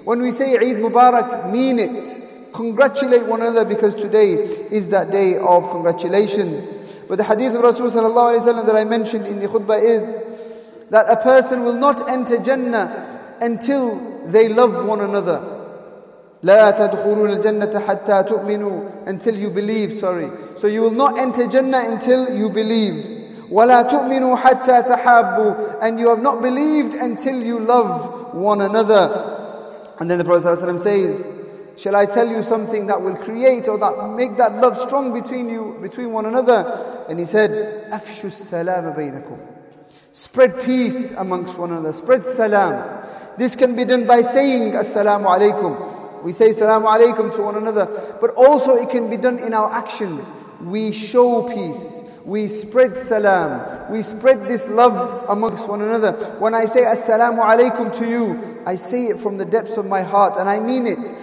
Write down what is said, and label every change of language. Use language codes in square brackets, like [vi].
[en] When we say Eid Mubarak, mean it. Congratulate one another because today is that day of congratulations. But the hadith of Rasul sallallahu alayhi wa sallam that I mentioned in the khutbah is that a person will not enter Jannah until they love one another. [ar] لا تدخلون الجنة حتى تؤمنوا, [en] until you believe, sorry. So you will not enter Jannah until you believe. [ar] ولا تؤمنوا حتى تحابوا, [en] and you have not believed until you love one another. And then the Prophet ﷺ says, shall I tell you something that will create or that make that love strong between you, between one another? And he said, [ar] أفشوا السلام بينكم. [en] Spread peace amongst one another. Spread salam. This can be done by saying assalamu alaikum. We say salamu alaikum to one another. But also it can be done in our actions. We show peace. We spread salam. We spread this love amongst one another. When I say assalamu alaikum to you, I say it from the depths of my heart and I mean it.